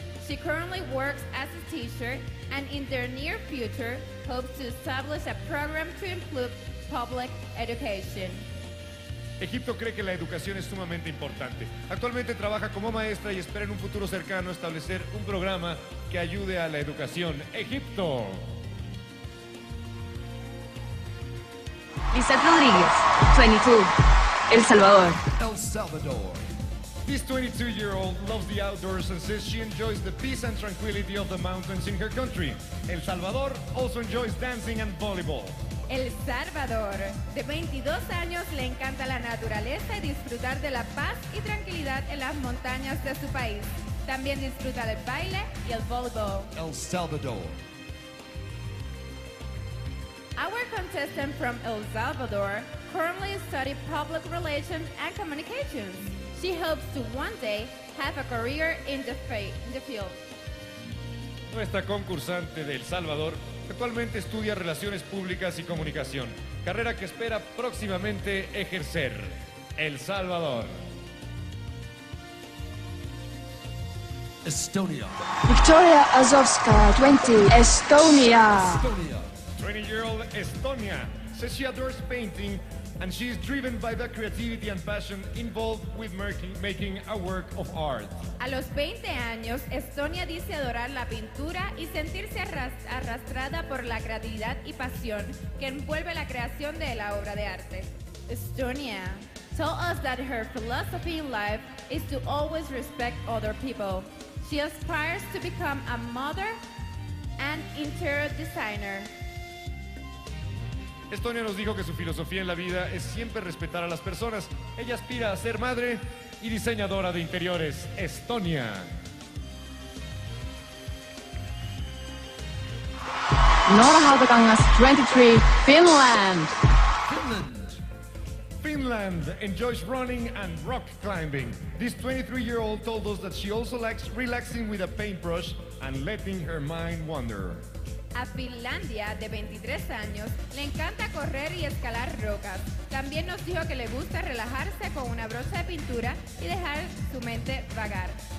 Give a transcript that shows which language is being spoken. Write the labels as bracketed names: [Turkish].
[English] She currently works as a teacher and in their near future hopes to establish a program to improve public education. [Spanish] Egipto cree que la educación es sumamente importante. Actualmente trabaja como maestra y espera en un futuro cercano establecer un programa que ayude a la educación. Egipto. [English] Lizeth Rodriguez, 22, El Salvador. El Salvador. This 22-year-old loves the outdoors and says she enjoys the peace and tranquility of the mountains in her country. El Salvador also enjoys dancing and volleyball. [Spanish] El Salvador, de 22 años, le encanta la naturaleza y disfrutar de la paz y tranquilidad en las montañas de su país. También disfruta del baile y el voleibol. El Salvador. [English] Our contestant from El Salvador currently studies public relations and communications. She hopes to one day have a career in the field. [Spanish] Nuestra concursante de El Salvador actualmente estudia Relaciones Públicas y Comunicación, carrera que espera próximamente ejercer. El Salvador. Estonia. [English] Victoria Azovska, 20, Estonia. Estonia. 20-year-old Estonia says she adores painting and she is driven by the creativity and passion involved with making a work of art. [Spanish] A los 20 años, Estonia dice adorar la pintura y sentirse arrastrada por la creatividad y pasión que envuelve la creación de la obra de arte. [English] Estonia told us that her philosophy in life is to always respect other people. She aspires to become a mother and interior designer. [Spanish] Estonia nos dijo que su filosofía en la vida es siempre respetar a las personas. Ella aspira a ser madre y diseñadora de interiores. Estonia. [English] Nora Haltakangas, 23, Finland. Finland enjoys running and rock climbing. This 23-year-old told us that she also likes relaxing with a paintbrush and letting her mind wander. [Spanish] A Finlandia, de 23 años, le encanta correr y escalar rocas. También nos dijo que le gusta relajarse con una brocha de pintura y dejar su mente vagar.